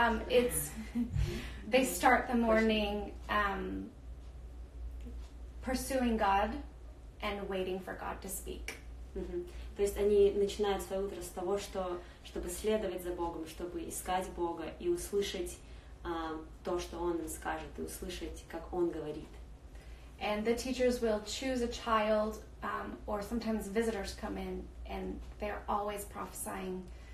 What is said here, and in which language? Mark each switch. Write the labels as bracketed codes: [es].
[en] It's they start the morning pursuing God and waiting for God to speak. [ru] То есть они начинают свое утро с того, что, чтобы следовать за Богом, чтобы искать Бога и услышать то, что Он им скажет, и услышать, как Он говорит. [en] And the teachers will choose a child, or sometimes visitors come in, and they're always prophesying